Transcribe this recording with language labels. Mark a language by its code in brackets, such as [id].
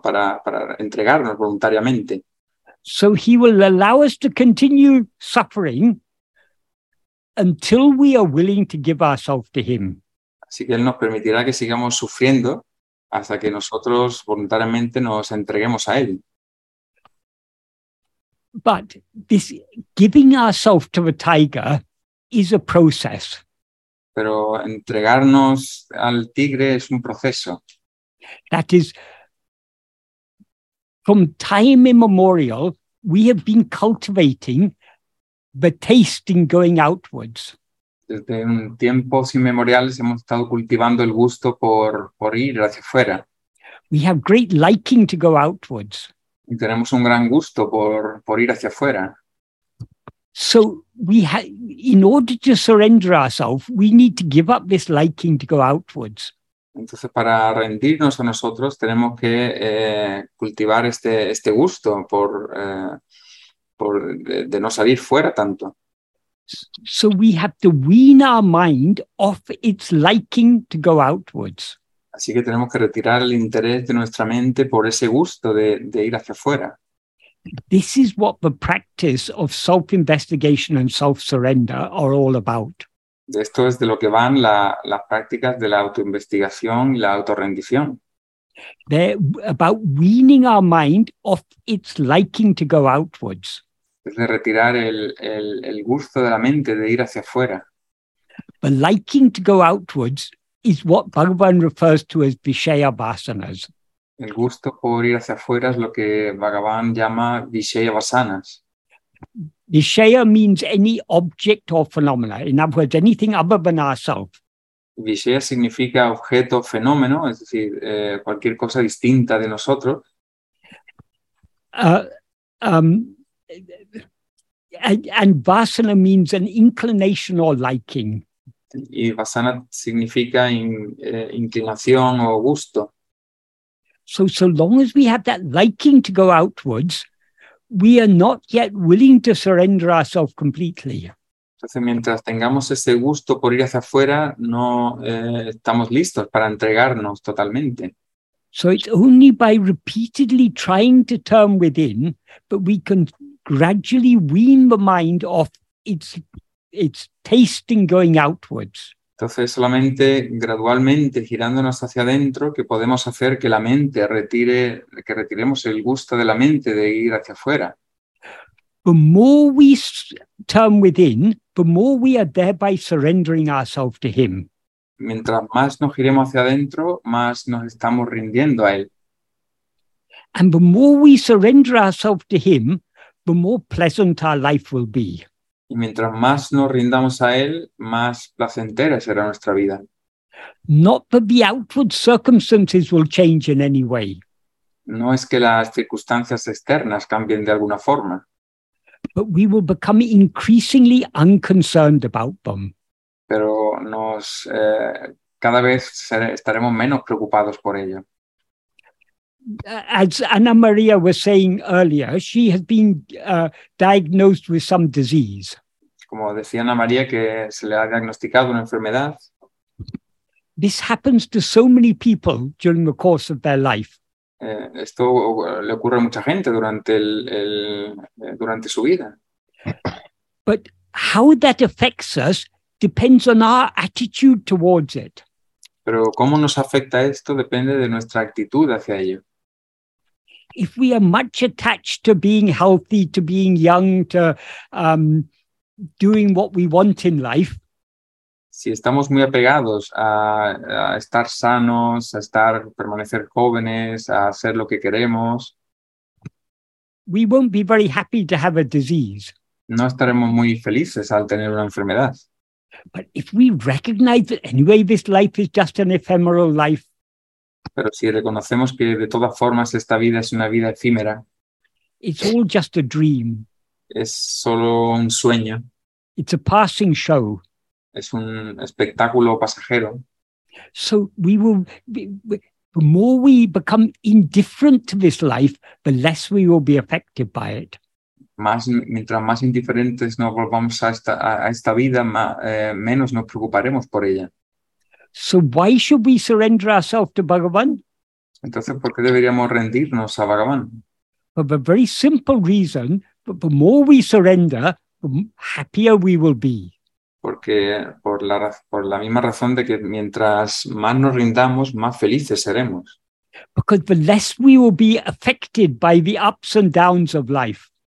[es] Para entregarnos voluntariamente. [en] So he will allow us to continue suffering until we are willing to give ourselves to him. [es] Así que él nos permitirá que sigamos sufriendo hasta que nosotros voluntariamente nos entreguemos a él. [en] But this giving ourselves to the tiger is a process. [es] Pero entregarnos al tigre es un proceso. [en] That is, from time immemorial, we have been cultivating the taste in going outwards. [es] Desde un tiempo inmemorial hemos estado cultivando el gusto por ir hacia afuera. [en] We have great liking to go outwards. [es] Y tenemos un gran gusto por ir hacia afuera. [en] So in order to surrender ourselves, we need to give up this liking to go outwards. [es] Entonces, para rendirnos a nosotros, tenemos que cultivar este gusto por no salir fuera tanto. [en] So we have to wean our mind off its liking to go outwards. [es] Así que tenemos que retirar el interés de nuestra mente por ese gusto de ir hacia afuera. [en] This is what the practice of self-investigation and self-surrender are all about. [es] Esto es de lo que van las prácticas de la autoinvestigación y la autorrendición. [en] They're about weaning our mind off its liking to go outwards. [es] Es de retirar el gusto de la mente de ir hacia afuera. [en] The liking to go outwards is what Bhagavan refers to as Vishaya Vasanas. [es] El gusto por ir hacia afuera es lo que Bhagavan llama Vishaya Vasanas. [en] Vishaya means any object or phenomena, in other words, anything other than ourselves. [es] Vishaya significa objeto o fenómeno, es decir, cualquier cosa distinta de nosotros. [en] And vasana means an inclination or liking. [es] Y vasana significa inclinación o gusto. [en] So long as we have that liking to go outwards, we are not yet willing to surrender ourselves completely. [es] Entonces, mientras tengamos ese gusto por ir hacia afuera, no estamos listos para entregarnos totalmente. [en] So it's only by repeatedly trying to turn within that we can gradually wean the mind off its tasting going outwards. [es] Entonces, solamente gradualmente girándonos hacia adentro que podemos hacer que la mente retire, que retiremos el gusto de la mente de ir hacia afuera. [en] the more we turn within, the more we are thereby surrendering ourselves to Him. [es] Mientras más nos giremos hacia adentro, más nos estamos rindiendo a Él. [en] And the more we surrender ourselves to Him, the more pleasant our life will be. [es] Y mientras más nos rindamos a Él, más placentera será nuestra vida. [en] Not that the outward circumstances will change in any way. [es] No es que las circunstancias externas cambien de alguna forma. [en] But we will become increasingly unconcerned about them. [es] Pero nos cada vez estaremos menos preocupados por ello. [en] As Ana María was saying earlier, she has been diagnosed with some disease. [es] Como decía Ana María, que se le ha diagnosticado una enfermedad. [en] This happens to so many people during the course of their life. [es] Esto le ocurre a mucha gente durante durante su vida. [en] But how that affects us depends on our attitude towards it. [es] Pero cómo nos afecta esto depende de nuestra actitud hacia ello. [en] If we are much attached to being healthy, to being young, to doing what we want in life. [es] Si estamos muy apegados a estar sanos, a estar permanecer jóvenes, a hacer lo que queremos. [en] We won't be very happy to have a disease. [es] No estaremos muy felices al tener una enfermedad. [en] But if we recognize that anyway this life is just an ephemeral life. [es] Pero si reconocemos que de todas formas esta vida es una vida efímera. [en] It's all just a dream. [es] Es solo un sueño. [en] It's a passing show. [es] Es un espectáculo pasajero. [en] So we will the more we become indifferent to this life, the less we will be affected by it. [es] Mientras más indiferentes nos volvamos a esta vida, menos nos preocuparemos por ella. [en] So why should we surrender ourselves to Bhagavan? [es] Entonces, ¿por qué deberíamos rendirnos a Bhagavan? [en] For the very simple reason that the more we surrender, the happier we will be. [es] Porque por la misma razón de que mientras más nos rindamos, más felices seremos. [en] Because the less we will be affected by the ups and downs of life.